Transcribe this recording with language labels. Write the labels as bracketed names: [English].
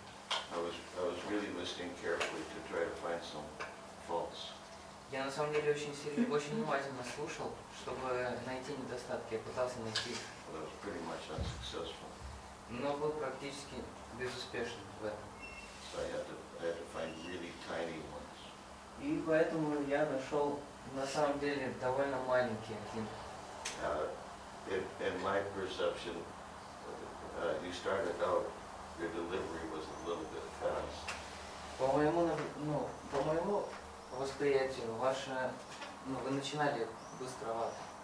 [English] I was really listening carefully to try to find some faults. [Russian] Я на самом деле очень серьезно, очень внимательно слушал, чтобы найти недостатки. Я пытался найти. [English] I was pretty much unsuccessful. [Russian] Но был практически безуспешен в этом. [English] So I had to find really tiny ones. [Russian] И поэтому я нашел на самом деле довольно маленькие один. [English] In my perception. You started out, your delivery was a little bit fast. [Russian] По моему восприятию, ваше, ну, вы начинали быстровато.